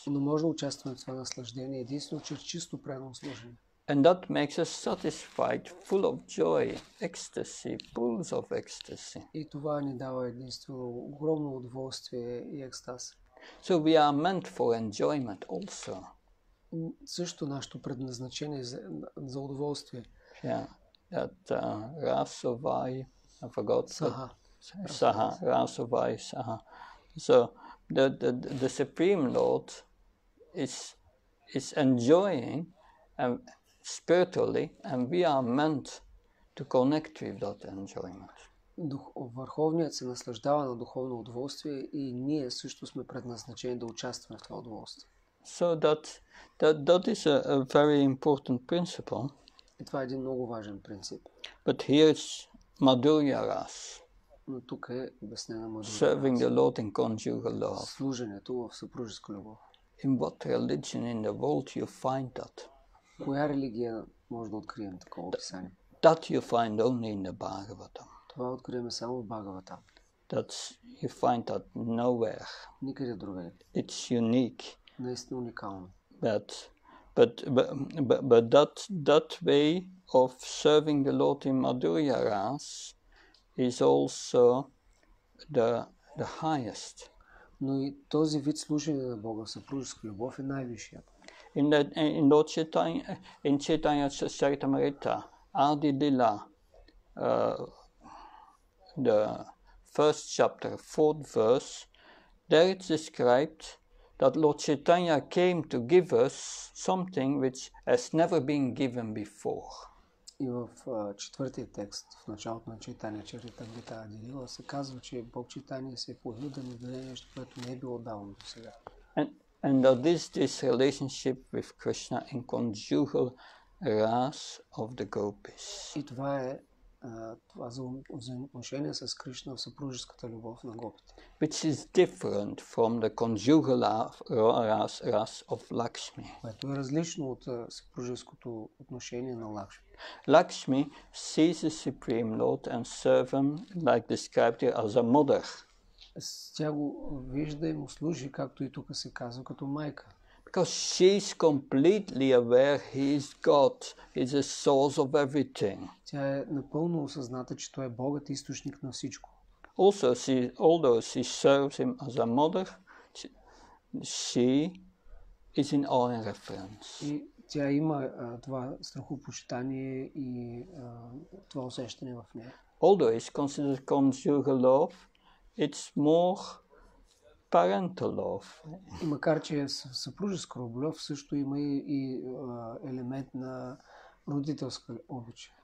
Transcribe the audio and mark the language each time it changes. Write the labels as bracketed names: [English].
[Bulgarian] Но можем да участваме в това наслаждение единствено чрез чисто преданно служение. [English] And that makes us satisfied, full of joy, ecstasy, pools of ecstasy. [Bulgarian] И това ни дава единствено огромно удоволствие и екстаз. [English] So we are meant for enjoyment also. [Bulgarian] Също нашето предназначение за удоволствие. [English] Yeah. At Rasavai, I forgot. [Sanskrit] Saha. [English] So the Supreme Lord is enjoying spiritually, and we are meant to connect with that enjoyment. [Bulgarian] Върховният се наслаждава на духовно удоволствие и ние също сме предназначени да участваме в това удоволствие. [English] So that is a very important principle. [Bulgarian] И това е един много важен принцип. [English] But here is Madhurya Ras. [Bulgarian] Но тук е обяснена Madhurya Ras. [English] Serving the Lord in conjugal love. [Bulgarian] Служението в съпружеска любов. [English] In what religion in the world you find that? [Bulgarian] Коя религия може да открием такова описание? [English] That you find only in the Bhagavatam. [Bulgarian] Това откриваме само в Бхагаватам. [English] That's you find that nowhere. [Bulgarian] Никъде другаде. [English] It's unique. [Bulgarian] Наистина уникално. [English] But that way of serving the Lord in Madhurya Ras is also the highest. [Bulgarian] Но и този вид служение на Бога в съпружеска любов е най-висшият. [English] In Lord Chaitanya, in Chaitanya Charitamrita, Adi Lila, the first chapter, fourth verse, there it's described that Lord Chaitanya came to give us something which has never been given before. [Bulgarian] И в четвъртия текст, в началото на Чайтания Чаритамрита Ади Лила, се казва, че Бог Чайтания се е появил да ни даде нещо, което не е било давано до сега. [English] And that this relationship with Krishna in conjugal ras of the gopis. [Bulgarian] И това е това взаимоотношение с Кришна в съпружеската любов на гопите. [English] Which is different from the conjugal ras of Lakshmi. [Bulgarian] Което е различно от съпружеското отношение на Лакшми. [English] Lakshmi sees the Supreme Lord and serves him, like described here, as a mother. [Bulgarian] Тя го вижда и му служи, както и тук се казва, като майка. [English] Because she is completely aware he is God, he is the source of everything. [Bulgarian] Тя е напълно осъзната, че той е Богът, източник на всичко. [English] Also, although she serves him as a mother, she is in awe and reverence. [Bulgarian] И тя има това страхопочитание и това усещане в нея. [English] Although it's considered conjugal love, it's more parental love. [Bulgarian] Макар че съпружеска любов също има и елемент на родителска обич.